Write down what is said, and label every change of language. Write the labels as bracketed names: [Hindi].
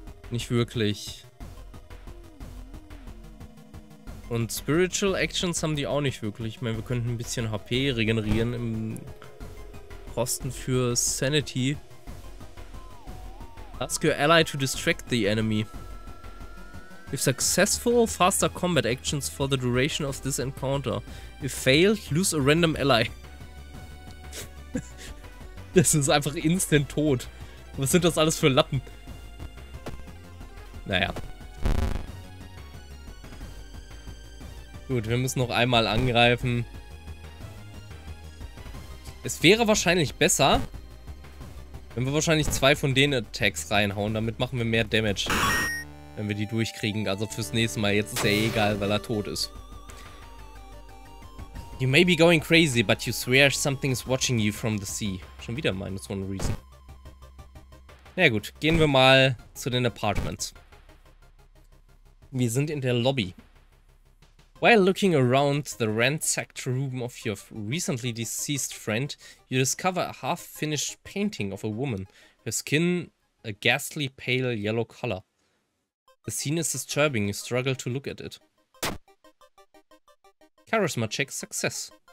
[German] Nicht wirklich. Und Spiritual Actions haben die auch nicht wirklich. Ich meine, wir könnten ein bisschen HP regenerieren im Kosten für Sanity. [English] Ask your ally to distract the enemy. If successful, faster combat actions for the duration of this encounter. If failed, lose a random ally. [German] Das ist einfach instant tot. Was sind das alles für Lappen? Naja. Gut, wir müssen noch einmal angreifen. Es wäre wahrscheinlich besser, wenn wir wahrscheinlich 2 von den Attacks reinhauen. Damit machen wir mehr Damage. Wenn wir die durchkriegen, also fürs nächste Mal. Jetzt ist er egal, weil er tot ist. [English] You may be going crazy, but you swear something is watching you from the sea. [German] Schon wieder minus [English] one reason. [German] Na ja, gut, gehen wir mal zu den Apartments. Wir sind in der Lobby. [English] While looking around the ransacked room of your recently deceased friend, you discover a half-finished painting of a woman, her skin a ghastly pale yellow color. The scene is disturbing, you struggle to look at it. Charisma check, success.